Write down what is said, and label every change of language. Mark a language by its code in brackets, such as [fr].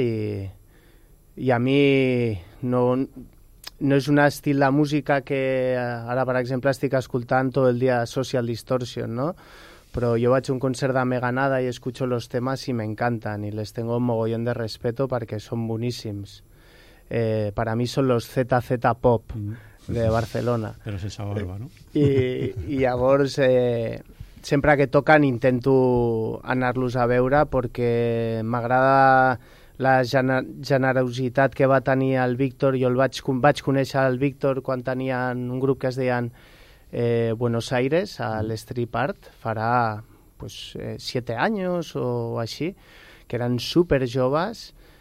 [ca] I a mi no és un estil de música que ara, per exemple, estic escoltant tot el dia Social Distortion, no? Però jo vaig a un concert de Meganada i [es] escucho los temas [ca] i m'encanten i [es] les tengo un mogollón de respeto [ca] perquè són boníssims. [es] Para mí son los ZZ Pop de Barcelona. [ca] Però se sa barba, no? I llavors, sempre que toquen intento anar-los a veure perquè m'agrada la generositat que va tenir el Víctor. Jo el vaig conèixer el Víctor quan tenien un grup que es deien Buenos Aires, a l'Street Art, farà pues, 7 anys o així, que eren superjoves.